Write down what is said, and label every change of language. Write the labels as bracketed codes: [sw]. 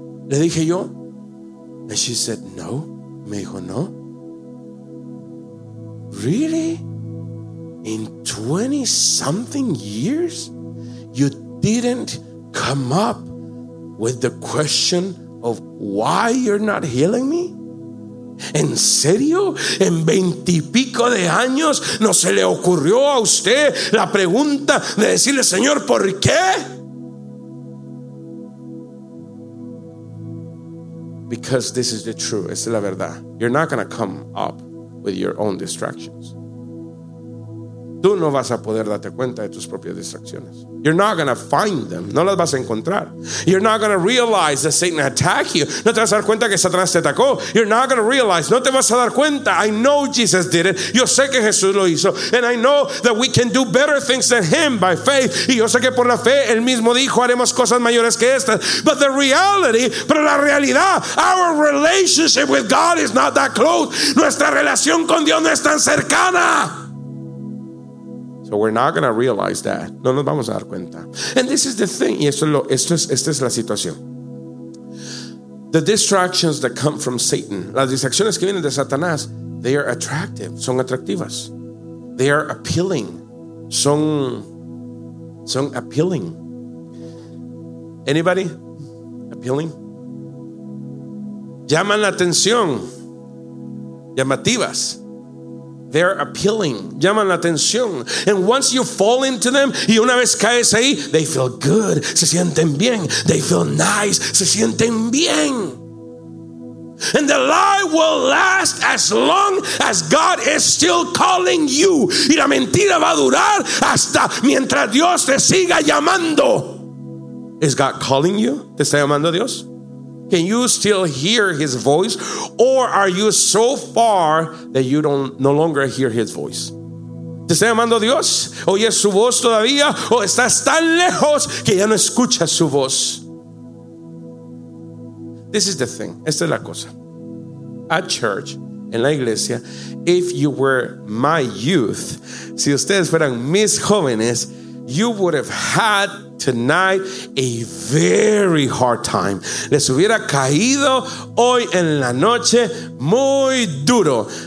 [es] Le dije yo. [en] And she said, no. [es] Me dijo, no. [en] Really? In 20 something years, you didn't come up with the question of why you're not healing me? [es] ¿En serio? ¿En 20 y pico de años no se le ocurrió a usted la pregunta de decirle, Señor, ¿por qué? [en] Because this is the truth. [es] Esa es la verdad. [en] You're not going to come up with your own distractions. [es] Tú no vas a poder darte cuenta de tus propias distracciones. [en] You're not going to find them. [es] No las vas a encontrar. [en] You're not going to realize that Satan attacked you. [es] No te vas a dar cuenta que Satanás te atacó. [en] You're not going to realize. [es] No te vas a dar cuenta. [en] I know Jesus did it. [es] Yo sé que Jesús lo hizo. [en] And I know that we can do better things than him by faith. [es] Y yo sé que por la fe, él mismo dijo, haremos cosas mayores que estas. [en] But the reality, [es] pero la realidad, [en] our relationship with God is not that close. [es] Nuestra relación con Dios no es tan cercana. [en] But we're not going to realize that. [es] No nos vamos a dar cuenta. [en] And this is the thing. [es] Y esta es la situación. [en] The distractions that come from Satan. [es] Las distracciones que vienen de Satanás. [en] They are attractive. [es] Son atractivas. [en] They are appealing. Son appealing. Anybody? Appealing? [es] Llaman la atención. Llamativas. [en] They're appealing. [es] Llaman la atención. [en] And once you fall into them, [es] y una vez caes ahí, [en] they feel good. [es] Se sienten bien. [en] They feel nice. [es] Se sienten bien. [en] And the lie will last as long as God is still calling you. [es] Y la mentira va a durar hasta mientras Dios te siga llamando. [en] Is God calling you? [es] ¿Te está llamando Dios? [en] Can you still hear his voice? Or are you so far that you don't no longer hear his voice? [es] ¿Te está llamando Dios? ¿Oyes su voz todavía? ¿O estás tan lejos que ya no escuchas su voz? [en] This is the thing. [es] Esta es la cosa. [en] At church, [es] en la iglesia, [en] if you were my youth, [es] si ustedes fueran mis jóvenes, [en] you would have had tonight a very hard time. [es] Les hubiera caído hoy en la noche muy duro.